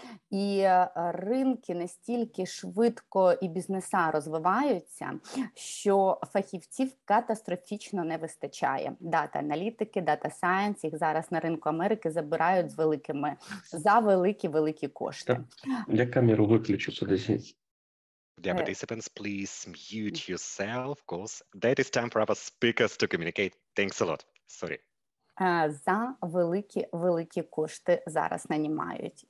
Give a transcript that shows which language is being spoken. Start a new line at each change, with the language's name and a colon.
Ukrainian: І ринки настільки швидко і бізнеса розвиваються, що фахівців катастрофічно не вистачає. Дата-аналітики, дата-сайенс, їх зараз на ринку Америки забирають з великими, за великі-великі кошти. Так. Я камеру виключу, подивіться.
English: Dear participants, please mute yourself, of course. That is time for our speakers to communicate. Thanks a lot. Sorry.
Ukrainian: За великі-великі кошти зараз нанімають.